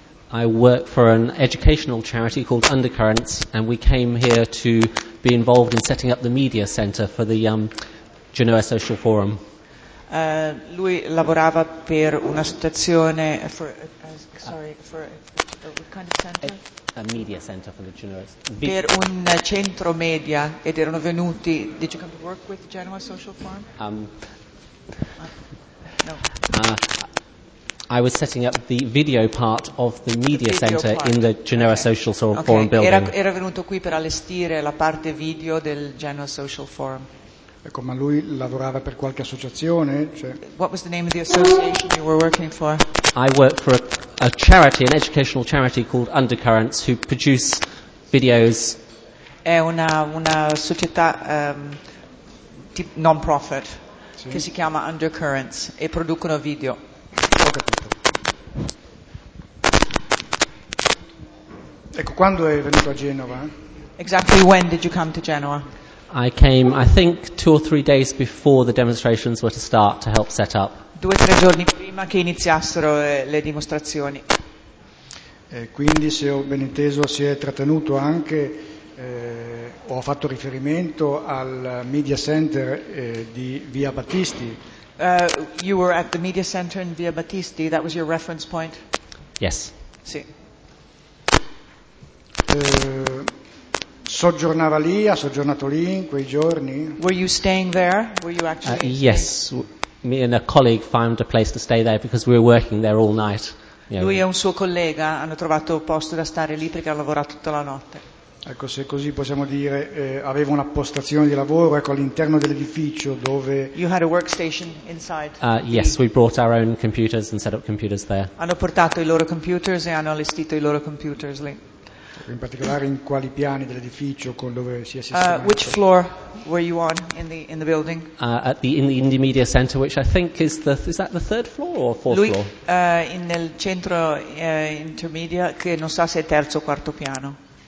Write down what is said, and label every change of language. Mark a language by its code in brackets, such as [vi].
[en] I work for an educational charity called Undercurrents and we came here to be involved in setting up the media center for the Genoa Social Forum. [it] Lui lavorava per una stazione per un centro media ed erano venuti. [en] Did you come to work with Genoa Social Forum? I was setting up the video part of the media center in the Genoa Social Forum building. [it] Era venuto qui per allestire la parte video del Genoa Social Forum. Ecco, ma lui lavorava per qualche associazione? Cioè... [en] What was the name of the association you were working for? I work for a charity, an educational charity called Undercurrents, who produce videos. [it] È una società non-profit, sì, che si chiama Undercurrents e producono video. Ho capito. Ecco, quando è venuto a Genova? [en] Exactly when did you come to Genoa? I came, I think, two or three days before the demonstrations were to start to help set up. [it] Due o tre giorni prima che iniziassero le dimostrazioni. Quindi, se ho ben inteso, si è trattenuto anche, o ha fatto riferimento al Media Center di Via Battisti. [en] You were at the Media Center in Via Battisti, that was your reference point? Yes. [it] Sì. Soggiornava lì, ha soggiornato lì in quei giorni? [en] Were you staying there? Were you actually Yes, me and a colleague found a place to stay there because we were working there all night. Yeah. [it] Lui e un suo collega hanno trovato posto da stare lì perché ha lavorato tutta la notte. Ecco, se così possiamo dire, aveva una postazione di lavoro, ecco, all'interno dell'edificio dove... [en] You had a workstation inside? Yes, we brought our own computers and set up computers there. [it] Hanno portato i loro computers e hanno allestito i loro computers lì. In particolare in quali piani dell'edificio con dove si è sistemato. [en] Which floor were you on in the building? In the Indie Media Center, which I think is that the third floor or fourth [it] Lui, [en] floor? [it] Nel centro intermedia, che non so se è terzo o quarto piano.